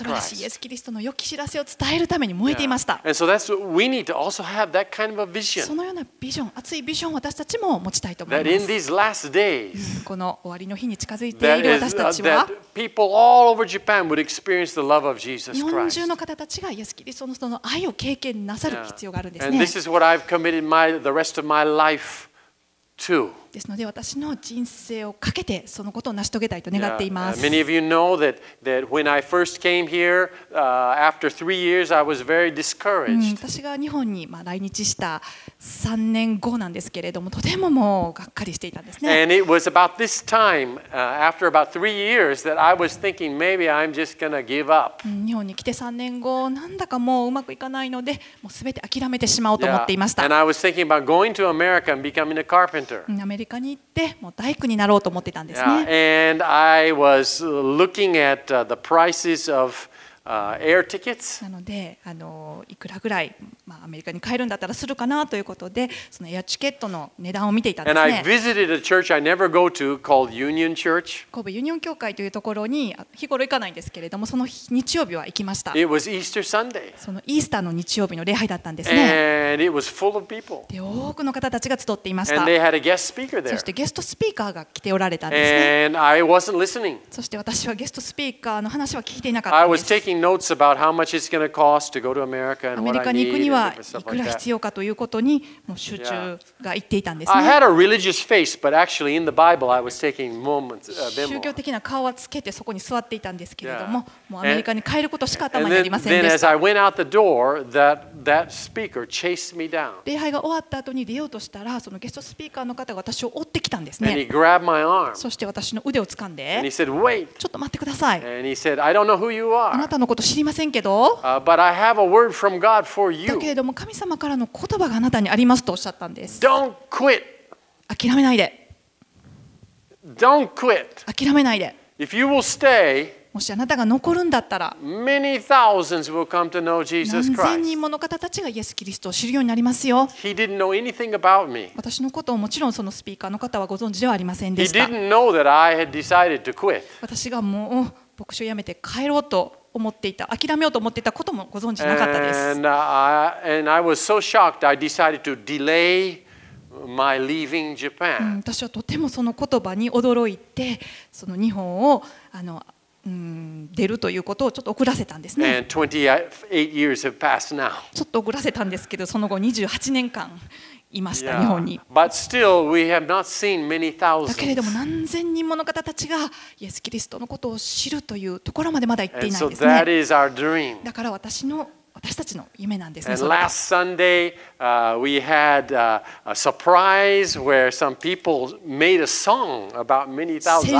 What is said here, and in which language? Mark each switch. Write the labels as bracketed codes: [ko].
[ja] 素晴らしいイエスキリストの良き知らせを伝えるために燃えていました。 [en] Yeah. And so that's we need to also have that kind of a vision. [ja] そのようなビジョン、熱いビジョンを私たちも持ちたいと思います。 [en] That in these last days, [ja] この終わりの日に近づいている私たちは、 [en] people all over Japan would experience the love of Jesus Christ. [ja] 日本中の方たちがイエスキリストのその愛を経験なさる必要があるんですね。 [en] And this is what I've committed the rest of my life. [ja] ですので私の人生をかけてそのことを成し遂げたいと願っています。 [en] Yeah. Many of you know that when I first came here, after 3 years, I was very discouraged. [ja] 私が日本に来日した3年後なんですけれども、とてももうがっかりしていたんですね。 [en] And it was about this time, after about 3 years, that I was thinking maybe I'm just gonna give up. [ja] 日本に来て3年後、なんだかもううまくいかないので、もうすべて諦めてしまおうと思っていました。 [en] Yeah. And I was thinking about going to America and becoming a carpenter. [ja] アメリカに行ってもう大工になろうと思ってたんですね。 [en] Yeah, and I was looking at the prices of air tickets. [ja] なのでいくらぐらい、アメリカに帰るんだったらするかなということでそのエアチケットの値段を見ていたんですね。 [en] And I visited a church I never go to called Union Church. [ja] 神戸ユニオン教会というところに日頃行かないんですけれどもその 日曜日は行きました。 [en] It was Easter Sunday. [ja] そのイースターの日曜日の礼拝だったんですね。 [en] And it was full of people. [ja] で多くの方たちが集っていました。 [en] And they had a guest speaker there. [ja] そしてゲストスピーカーが来ておられたんですね。 [en] And I wasn't listening. [ja] そして私はゲストスピーカーの話は聞いていなかったんです。 [en] I was taking notes about how much it's going to cost to go to America and what I need. [ja] いくら必要かということにもう集中が言っていたんですね。 [en] I had a religious face, but actually in the Bible I was taking moments. [ja] 宗教的な顔はつけてそこに座っていたんですけれども、もうアメリカに帰ることしか頭にありませんでした。 [en] Then as I went out the door, that speaker chased me down. [ja] 礼拝が終わった後に出ようとしたら、そのゲストスピーカーの方が私を追ってきたんですね。 [en] And he grabbed my arm. [ja] そして私の腕を掴んで、 [en] And he said, "Wait." [ja] ちょっと待ってください。 [en] And he said, "I don't know who you are." [ja] あなたのこと知りませんけど、 [en] But I have a word from God for you. [ja] けれども神様からの言葉があなたにありますとおっしゃったんです。 [en] Don't quit. [ja] 諦めないで。 [en] Don't quit. [ja] 諦めないで。 [en] If you will stay, [ja] もしあなたが残るんだったら、 [en] many thousands will come to know Jesus Christ. [ja] 何千人もの方たちがイエス・キリストを知るようになりますよ。 [en] He didn't know anything about me. [ja] 私のことをもちろんそのスピーカーの方はご存知ではありませんでした。 [en] He didn't know that I had decided to quit. [ja] 私がもう牧師を辞めて帰ろうと思っていた、諦めようと思っていたこともご存知なかったです。 [en] And I was so shocked, I decided to delay my leaving Japan. [ja] 私はとてもその言葉に驚いて、その日本を出るということをちょっと遅らせたんですね。 [en] And 28 years have passed now. [ja] ちょっと遅らせたんですけど、その後28年間いました、 [en] yeah. [ja] 日本に。 [en] But still, we have not seen many thousands. [ja] だけれども何千人もの方たちがイエス・キリストのことを知るというところまでまだ行っていないんですね。 [en] And so that is our dream. [ja] だから私たちの夢なんですね。 [en] And last Sunday, we had a surprise where some people made a song about many thousands.